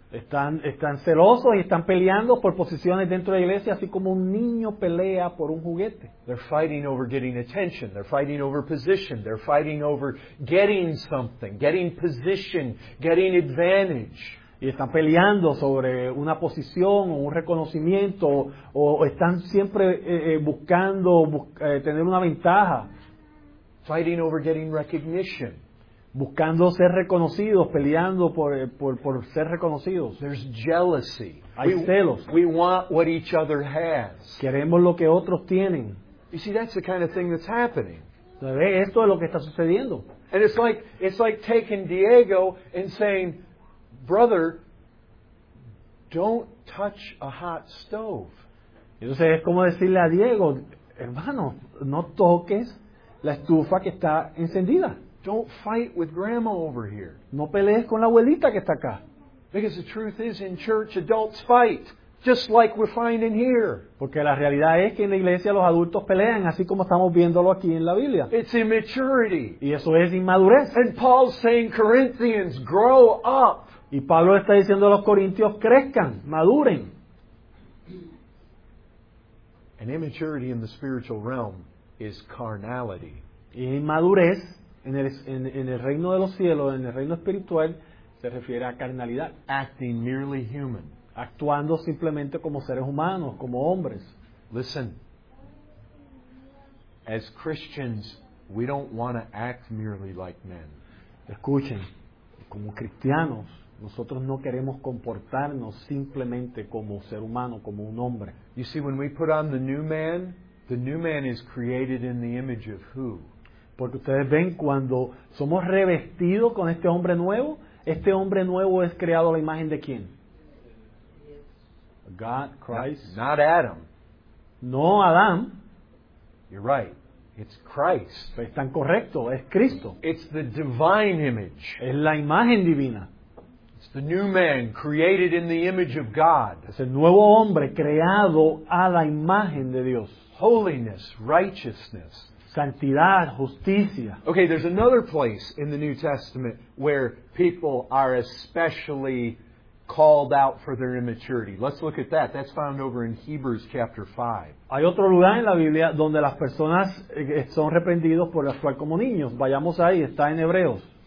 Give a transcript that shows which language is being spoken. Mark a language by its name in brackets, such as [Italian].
[Spanish] Están celosos y están peleando por posiciones dentro de la iglesia, así como un niño pelea por un juguete. [English] They're fighting over getting attention. They're fighting over position. They're fighting over getting something, getting position, getting advantage. [Spanish] Y están peleando sobre una posición o un reconocimiento o están siempre buscando tener una ventaja. [English] Fighting over getting recognition. [Spanish] Buscando ser reconocidos, peleando por ser reconocidos. [English] There's jealousy. [Spanish] Hay celos. [English] We want what each other has. [Spanish] Queremos lo que otros tienen. [English] You see, that's the kind of thing that's happening. [Spanish] Esto es lo que está sucediendo. [English] And it's like taking Diego and saying, brother, don't touch a hot stove. [Spanish] Entonces es como decirle a Diego, hermano, no toques la estufa que está encendida. [English] Don't fight with grandma over here. [Spanish] No pelees con la abuelita que está acá. [English] Because the truth is, in church, adults fight, just like we're finding here. [Spanish] Porque la realidad es que en la iglesia los adultos pelean, así como estamos viéndolo aquí en la Biblia. [English] It's immaturity. [Spanish] Y eso es inmadurez. [English] And Paul's saying, Corinthians, grow up. [Spanish] Y Pablo está diciendo a los corintios, crezcan, maduren. [English] And immaturity in the spiritual realm is carnality. [Spanish] Y inmadurez en el reino de los cielos, en el reino espiritual, se refiere a carnalidad. [English] Acting merely human. [Spanish] Actuando simplemente como seres humanos, como hombres. [English] Listen. As Christians, we don't want to act merely like men. [Spanish] Escuchen. Como cristianos, nosotros no queremos comportarnos simplemente como ser humano, como un hombre. [English] You see, when we put on the new man is created in the image of who? [Spanish] Porque ustedes ven, cuando somos revestidos con este hombre nuevo es creado a la imagen de quién? [English] God, Christ. Not Adam. No, Adam. You're right. It's Christ. [Spanish] Están correcto, es Cristo. [English] It's the divine image. [Spanish] Es la imagen divina. [English] It's the new man created in the image of God. [Spanish] Es el nuevo hombre creado a la imagen de Dios. [English] Holiness, righteousness. [Spanish] Santidad, justicia. [English] Okay, there's another place in the New Testament where people are especially called out for their immaturity. Let's look at that. That's found over in Hebrews chapter 5. [Spanish] Hay otro lugar en la Biblia donde las personas son reprendidos por actuar como niños. Vayamos ahí, está en Hebreos.